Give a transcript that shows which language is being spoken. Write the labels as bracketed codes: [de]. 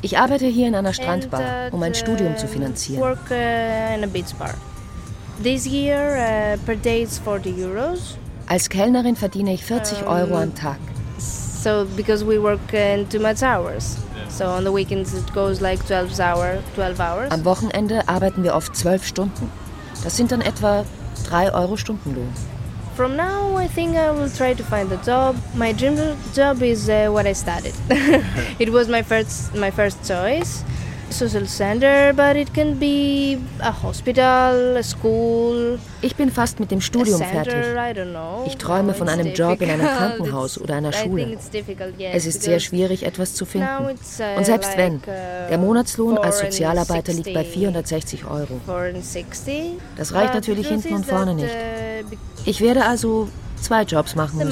[de] Ich arbeite hier in einer Strandbar, um ein Studium zu finanzieren. [en] Work in a beach bar. This year per day is 40 euros. [de] Als Kellnerin verdiene ich 40 Euro am Tag. [en] So because we work in too much hours. So on the weekends it goes like 12 hours. [de] Am Wochenende arbeiten wir oft 12 Stunden. Das sind dann etwa 3 Euro Stundenlohn. [en] from now, I think I will try to find a job. My dream job is what I studied. It was my first choice, social center, but it can be a hospital, a school. [de] Ich bin fast mit dem Studium fertig. Ich träume von einem Job in einem Krankenhaus oder einer Schule. Es ist sehr schwierig, etwas zu finden. Und selbst wenn, der Monatslohn als Sozialarbeiter liegt bei 460 Euro. Das reicht natürlich hinten und vorne nicht. Ich werde also zwei Jobs machen müssen.